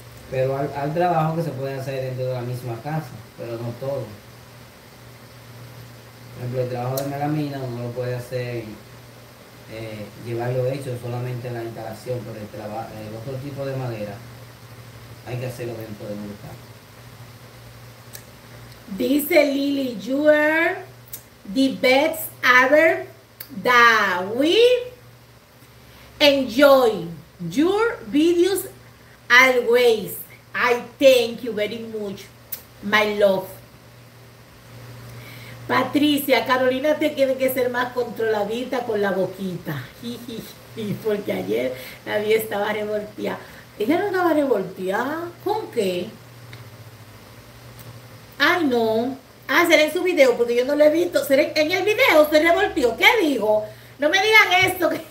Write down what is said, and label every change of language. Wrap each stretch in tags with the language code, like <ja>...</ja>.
<es>Pero al trabajo que se puede hacer dentro de la misma casa, pero no todo. Por ejemplo, el trabajo de melamina uno lo puede hacer. Llevarlo hecho solamente en la instalación, pero el trabajo, el otro tipo de madera hay que hacerlo dentro de un lugar. Dice</es> <en>Lily, you are the best ever that we enjoy your videos always. I thank you very much, my love.</en> <es>Patricia, Carolina te tiene que ser más controladita con la boquita. Porque ayer la vida estaba revolteada. Ella no estaba revolteada. ¿Con qué? Ay, no. Ah, será en su video, porque yo no lo he visto. ¿Será en el video se revolteó? ¿Qué digo? No me digan esto.</es>